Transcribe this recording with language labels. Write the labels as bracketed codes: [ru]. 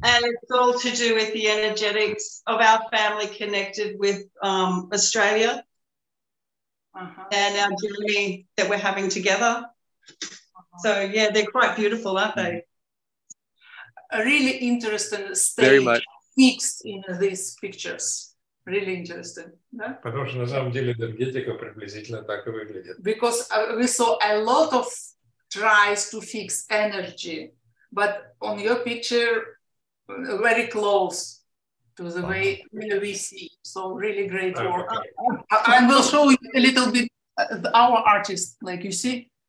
[en] And it's all to do with the energetics of our family connected with Australia. Uh-huh. And our journey that we're having together. Uh-huh. So, yeah, they're quite beautiful, aren't they? A really interesting stage fixed in these pictures. Really interesting. [ru] Потому что на самом деле энергетика приблизительно так и выглядит. [en] Because we saw a lot of tries to fix energy, but on your picture, very close to the way we see. So really great work. I will show you a little bit our artist, like you see.